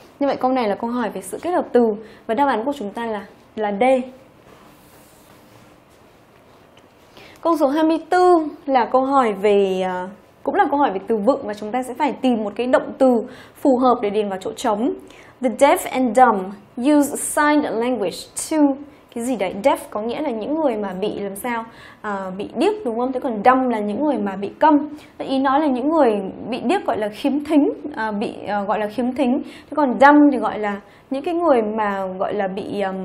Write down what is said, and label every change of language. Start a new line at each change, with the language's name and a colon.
Vietnamese: Như vậy câu này là câu hỏi về sự kết hợp từ. Và đáp án của chúng ta là D. Câu số 24 là câu hỏi về... cũng là câu hỏi về từ vựng và chúng ta sẽ phải tìm một cái động từ phù hợp để điền vào chỗ trống.
English: The deaf and dumb use sign language to...
Vietnamese: cái gì đấy? Deaf có nghĩa là những người mà bị làm sao? Bị điếc, đúng không? Thế còn dumb là những người mà bị câm. Ý nói là những người bị điếc gọi là khiếm thính, gọi là khiếm thính. Thế còn dumb thì gọi là những cái người mà gọi là bị...